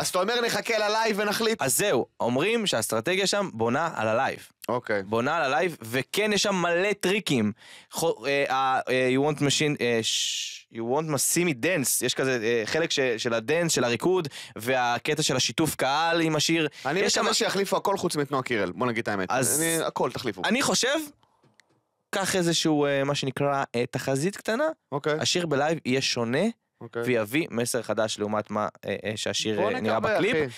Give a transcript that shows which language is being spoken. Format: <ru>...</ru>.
<he>אז אתה אומר נחכה ללייב ונחליט. אז זהו, אומרים שהאסטרטגיה שם בונה על הלייב. אוקיי. בונה על הלייב, וכן יש שם מלא טריקים.</he> <en>You want machine, you want to see me dance.</en> <he>יש כזה חלק של הדנס, של הריקוד, והקטע של השיתוף קהל עם השיר. אני חושב שיחליפו הכל חוץ מתנועה קירל. בוא נגיד את האמת. הכל תחליפו. אני חושב, קח איזשהו, מה שנקרא, תחזית קטנה. אוקיי. השיר בלייב יהיה שונה, ויביא מסר חדש לעומת מה שהשיר נראה בקליפ.</he>